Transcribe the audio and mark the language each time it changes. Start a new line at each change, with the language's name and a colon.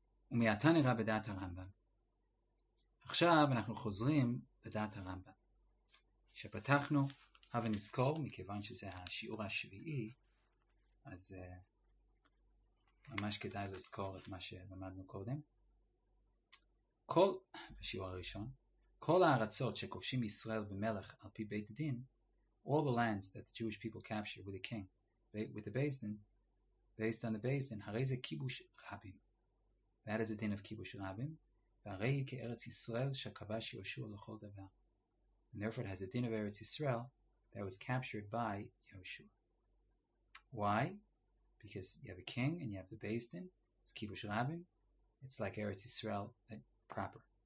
Hebrew: ומעתה נראה בדעת הרמב״ם. עכשיו אנחנו חוזרים לדעת הרמב״ם. שפתחנו, הבה נזכור, מכיוון שזה השיעור השביעי, אז ממש כדאי לזכור את מה שלמדנו קודם. כל, בשיעור הראשון, כל הארצות שכובשים ישראל במלך על פי בית הדין,
English: all the lands that the Jewish people capture with the king, with the Beis Din, based on the Beis Din,
Hebrew: הרי זה כיבוש רבים.
English: That is the din of
Hebrew: כיבוש רבים, והרי היא כארץ ישראל שכבש יהושע לכל דבר.
English: And therefore it has the din of Eretz Yisrael that was captured by Yehoshua. Why? Because you have a king and you have the Beis Din, it's kibush rabim, it's like Eretz Yisrael proper.